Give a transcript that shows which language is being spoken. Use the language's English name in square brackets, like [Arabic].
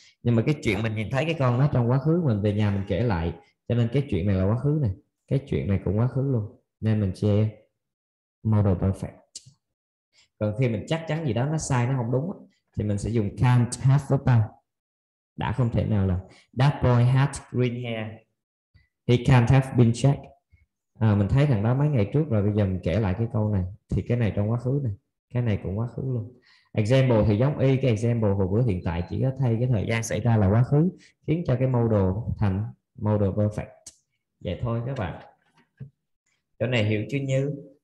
[Vietnamese] Nhưng mà cái chuyện mình nhìn thấy cái con nó trong quá khứ, mình về nhà mình kể lại, cho nên cái chuyện này là quá khứ này, cái chuyện này cũng quá khứ luôn, nên mình chia modal perfect. Còn khi mình chắc chắn gì đó nó sai, nó không đúng, thì mình sẽ dùng can't have verb 3. Đã không thể nào là [English] that boy had green hair, he can't have been checked. [Vietnamese] Mình thấy thằng đó mấy ngày trước rồi, bây giờ mình kể lại cái câu này thì cái này trong quá khứ này, cái này cũng quá khứ luôn. Example thì giống y cái example hồi bữa, hiện tại chỉ có thay cái thời gian xảy ra là quá khứ, khiến cho cái modal thành modal perfect. Vậy thôi các bạn, chỗ này hiểu chưa Như?